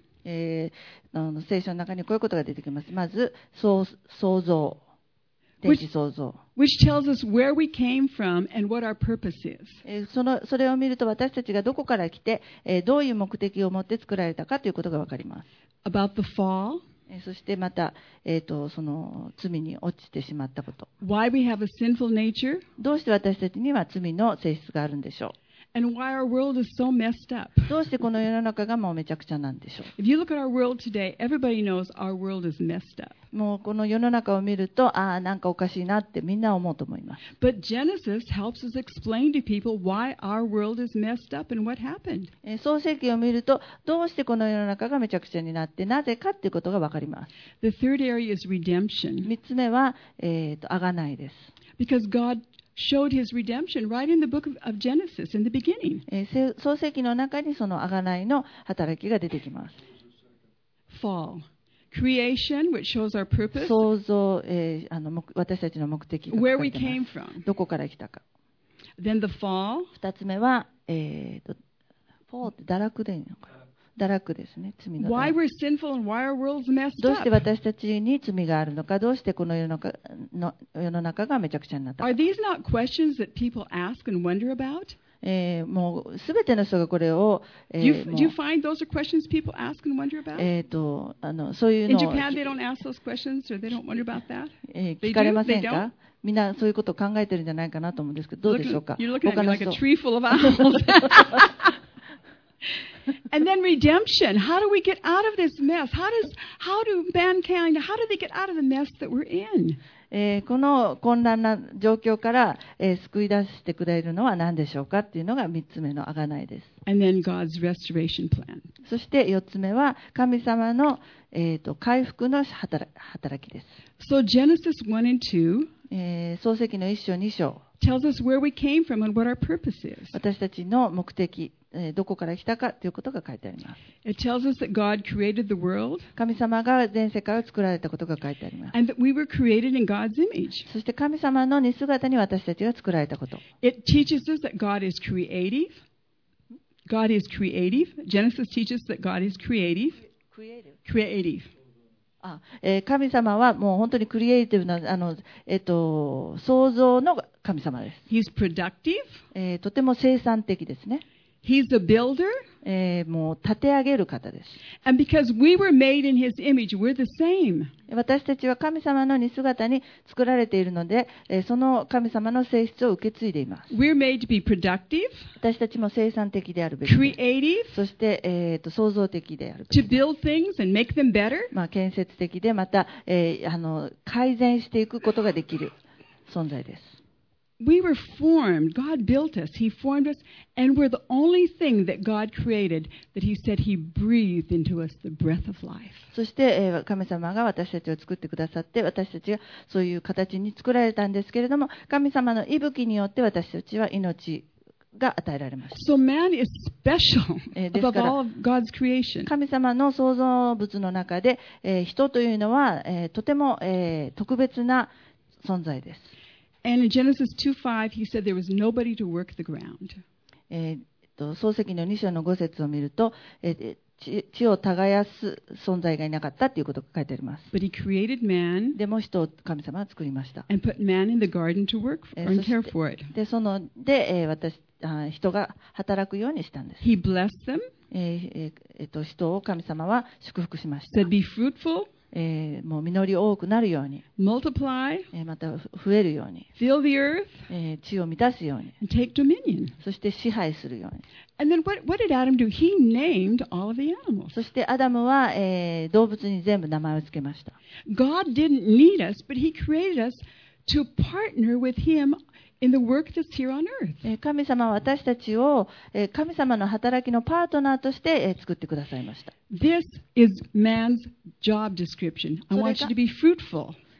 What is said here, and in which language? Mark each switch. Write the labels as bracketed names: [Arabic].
[Japanese] 聖書の中にこういうことが出てきます。まず、創造。 [English] Which tells us where we came from and what our purpose is. [Japanese] それを見ると私たちがどこから来て、どういう目的を持って作られたかということがわかります。 [English] About the fall. [Japanese] そしてまた、その罪に落ちてしまったこと。 [English] Why we have a sinful nature. [Japanese] どうして私たちには罪の性質があるんでしょう。 [English] And why our world is so messed up. [Japanese] どうしてこの世の中がもうめちゃくちゃなんでしょう。 [English] If you look at our world today, everybody knows our world is messed up. [Japanese] もうこの世の中を見ると、ああ、なんかおかしいなってみんな思うと思います。 [English] But Genesis helps us explain to people why our world is messed up and what happened. [Japanese] 創世記を見ると、どうしてこの世の中がめちゃくちゃになって、なぜかっていうことがわかります。 [English] The third area is redemption. [Japanese] 三つ目は、贖いです。 [English] Because God showed his redemption right in the book of Genesis in the beginning. [Japanese] 創世記の中にその贖いの働きが出てきます。 [English] Fall. Creation, which shows our purpose. [Japanese] 創造、私たちの目的が [English] Where we came from. [Japanese] どこから来たか。 [English] Then the fall. [Japanese] 二つ目は、fall って堕落でいいのか。堕落ですね、罪の [English] 堕落。 Why sinful and why world's messed up? [Japanese] どうして私たちに罪があるのか、どうしてこの世の中がめちゃくちゃになったか。 [English] Are these not questions that people ask and wonder about? [Japanese] もう全ての人がこれを、 [English] Do you find those are questions people ask and wonder about? [Japanese] そういうの [English] を、In Japan, they don't ask those questions or they don't wonder about that? [Japanese] 聞かれませんか？みんなそういうことを考えてるんじゃないかなと思うんですけど、どうでしょうか？ [English] You're looking at me like a tree full of apples. And then redemption. How do we get out of this mess? How do they get out of the mess that we're in? [Japanese] この混乱な状況から、救い出してくれるのは何でしょうかっていうのが3つ目の贖いです。 [English] And then God's restoration plan. [Japanese] そして4つ目は神様の、回復の働きです。 [English] So Genesis 1 and 2、 [Japanese] 創世記の1章2章 [English] tells us where we came from and what our purpose is. [Japanese] 私たちの目的、どこから来たかということが書いてあります。 [English] It tells us that God created the world. [Japanese] 神様が全世界を作られたことが書いてあります。 [English] And that we were created in God's image. [Japanese] そして神様の似姿に私たちが作られたこと。 [English] It teaches us that God is creative. God is creative. Genesis teaches us that God is creative. Creative. [Japanese] 神様はもう本当にクリエイティブな創造の神様です。 [English] He's productive. [Japanese] とても生産的ですね。 [English] He's a builder. [Japanese] もう立て上げる方です。 [English] And because we were made in His image, we're the same. [Japanese] 私たちは神様の似姿に作られているので、その神様の性質を受け継いでいます。 [English] We're made to be productive. [Japanese] 私たちも生産的であるべき。 [English] Creative. [Japanese] そして、創造的であるべき。 [English] To build things and make them better. [Japanese] まあ建設的でまた、改善していくことができる存在です。 [English] We were formed. God built us. He formed us, and we're the only thing that God created that He said He breathed into us the breath of life. [Japanese] そして神様が私たちを作ってくださって、私たちがそういう形に作られたんですけれども、神様の息吹によって私たちは命が与えられました。 [English] So man is special above all of God's creation. [Japanese] 神様の創造物の中で人というのはとても特別な存在です。 [English] And in Genesis 2:5, he said there was nobody to work the ground. [Japanese] 創世記の2章の5節を見ると、地を耕す存在がいなかったということが書いてあります。 [English] But he created man. [Japanese] でも人を神様は作りました。 [English] And put man in the garden to work and care for it. [Japanese] でそので、人が働くようにしたんです。 [English] He blessed them. [Japanese] 人を神様は祝福しました。 [English] Said be fruitful. [Japanese] もう実り多くなるように [English] Multiply, [Japanese] また増えるように [English] fill the earth, [Japanese] 地を満たすように [English] and take dominion. [Japanese] そして支配するようにそしてアダムは、動物に全部名前を付けました。 [English] God didn't need us, but He created us to partner with Him in the work that's here on earth. [Japanese] 神様は私たちを、神様の働きのパートナーとして、作ってくださいました。 [English] This is man's job description. I want you to be fruitful.